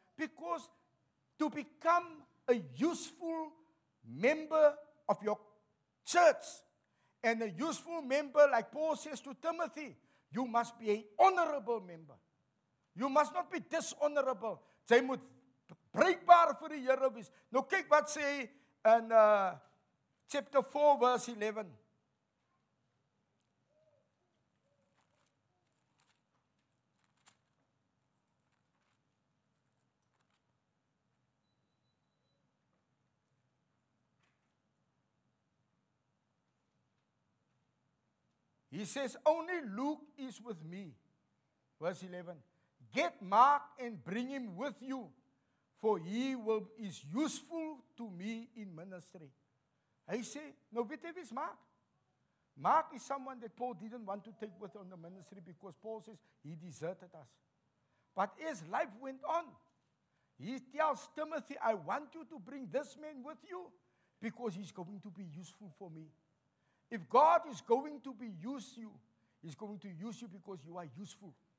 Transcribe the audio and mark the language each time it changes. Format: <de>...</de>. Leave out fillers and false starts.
<en>Because to become a useful member of your church, and a useful member, like Paul says to Timothy, you must be an honorable member. You must not be dishonorable.</en> <af>Jy moet breekbaar vir die Here wees. Nou kyk wat sê in</af> <en>chapter 4 verse 11. He says, only Luke is with me. Verse 11. Get Mark and bring him with you, for he will is useful to me in ministry.</en> <af>Hy sê, nou weet jy wie's Mark?</af> <en>Mark is someone that Paul didn't want to take with on the ministry because Paul says he deserted us. But as life went on, he tells Timothy, I want you to bring this man with you because he's going to be useful for me. If God is going to be use you, he's going to use you because you are useful.</en>